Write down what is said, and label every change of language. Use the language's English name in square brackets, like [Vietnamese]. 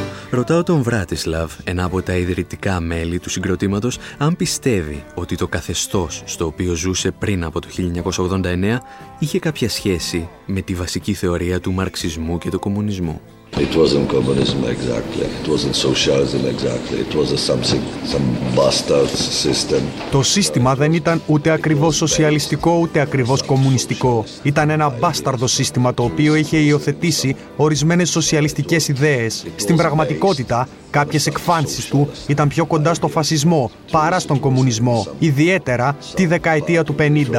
[Greek] Ρωτάω τον Βράτισλαβ, ένα από τα ιδρυτικά μέλη του συγκροτήματος, αν πιστεύει ότι το καθεστώς στο οποίο ζούσε πριν από το 1989 είχε κάποια σχέση με τη βασική θεωρία του μαρξισμού και του κομμουνισμού. [English] It wasn't communism exactly. It wasn't socialism exactly. It was some bastard system. [Greek] Το σύστημα δεν ήταν ούτε ακριβώς σοσιαλιστικό ούτε ακριβώς κομμουνιστικό. Ήταν ένα μπάσταρδο σύστημα το οποίο είχε υιοθετήσει ορισμένες σοσιαλιστικές ιδέες. Στην πραγματικότητα, κάποιες εκφάνσεις του ήταν πιο κοντά στο φασισμό παρά στον κομμουνισμό, ιδιαίτερα τη δεκαετία του 50.